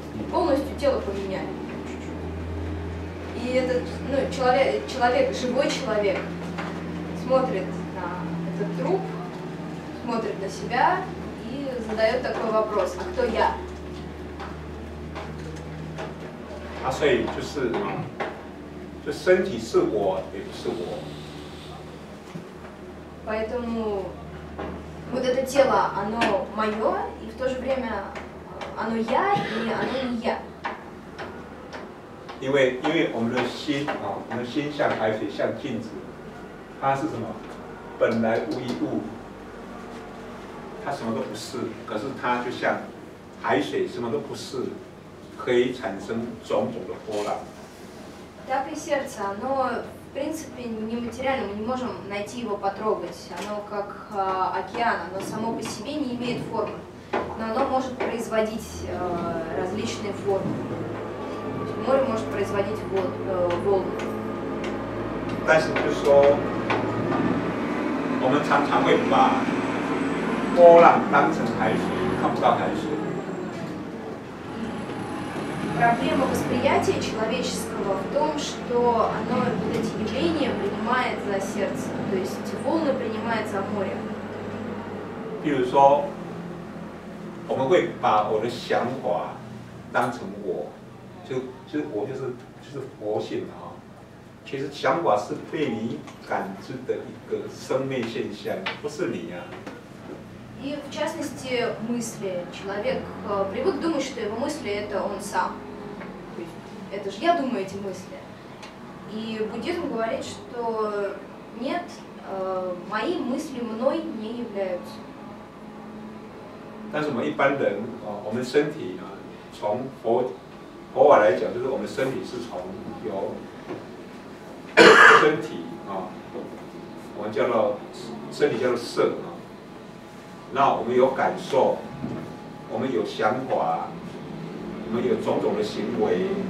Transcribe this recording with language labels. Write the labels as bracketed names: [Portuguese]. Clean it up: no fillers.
[Russian] Полностью тело поменяли. И этот человек, живой человек, смотрит на этот труп, смотрит на себя и задает такой вопрос: а кто я? [Chinese] 啊、所以就是什么，就身体是我也不是我。 [Russian] Поэтому вот это тело, оно мое, и в то же время оно я, и оно не я. [Chinese] 因为我们的心啊，我们的心像海水，像镜子，它是什么？本来无一物，它什么都不是。可是它就像海水，什么都不是。可以产生种种的波澜。 [Russian] Так и сердце, оно в принципе нематериально, мы не можем найти его, потрогать. Оно как океан, оно само по себе не имеет формы, но оно может производить различные формы. Море может производить волны. [Chinese] 但是就说，我们常常会把波浪当成海水，看不到海水。 [Russian] Проблема восприятия человеческого в том, что оно вот эти явления принимает за сердце, то есть волны принимает за море. [Chinese] 比如说，我们会把我的想法当成我，就我就是佛性啊。其实想法是被你感知的一个生命现象，不是你啊。 [Russian] И в частности мысли человек привык думать, что его мысли это он сам. Это же я думаю эти мысли. И буддизм говорит, что нет, мои мысли мной не являются. [Chinese] 但是我们一般人啊，我们身体啊，从佛法来讲，就是我们身体是从由身体啊，我们叫做身体叫做色啊。那我们有感受，我们有想法，我们有种种的行为。